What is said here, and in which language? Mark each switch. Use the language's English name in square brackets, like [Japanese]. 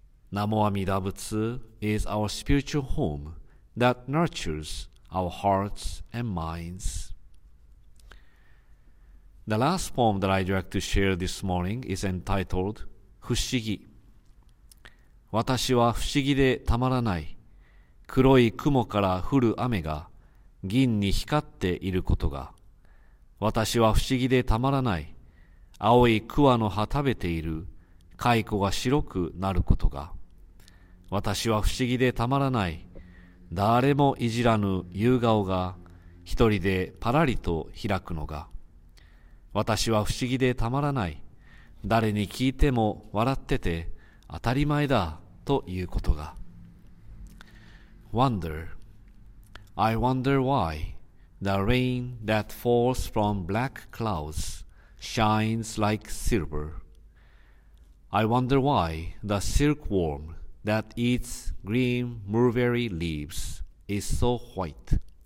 [English] Namo Amida Butsu is our spiritual home that nurtures our hearts and minds. The last poem that I'd like to share this morning is entitled Fushigi. [Japanese] 私は不思議でたまらない。黒い雲から降る雨が銀に光っていることが。私は不思議でたまらない。青い桑の葉食べている蚕が白くなることが。私は不思議でたまらない。誰もいじらぬ夕顔が一人でパラリと開くのが。私は不思議でたまらない。誰に聞いても笑ってて当たり前だ。ということが。 [English] Wonder, I wonder why the rain that falls from black clouds shines like silver. I wonder why the silkworm that eats green mulberry leaves is so white.